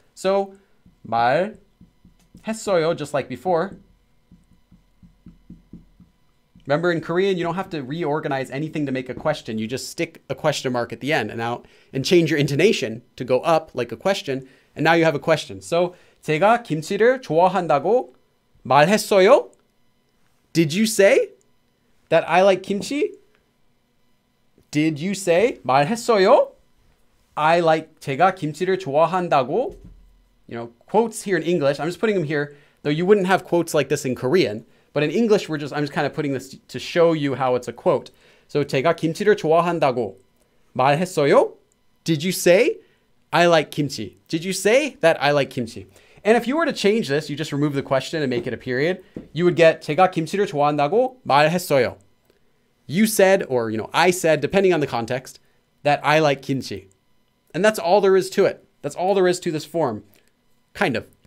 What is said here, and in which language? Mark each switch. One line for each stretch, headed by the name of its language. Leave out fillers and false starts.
English: So 말했어요, just like before. Remember in Korean, you don't have to reorganize anything to make a question. You just stick a question mark at the end and out and change your intonation to go up like a question. And now you have a question.
Korean: So 제가 김치를 좋아한다고 말했어요?
English: Did you say that I like kimchi? Did you say 말했어요? I like
Korean: 제가 김치를 좋아한다고,
English: you know, quotes here in English. I'm just putting them here, though you wouldn't have quotes like this in Korean, but in English, we're just, I'm just kind of putting this to show you how it's a quote.
Korean: So 제가 김치를 좋아한다고 말했어요?
English: Did you say I like kimchi? Did you say that I like kimchi? And if you were to change this, you just remove the question and make it a period, you would get
Korean: 제가 김치를 좋아한다고 말했어요.
English: You said, or, you know, I said, depending on the context, that I like kimchi. And that's all there is to it. That's all there is to this form, kind of.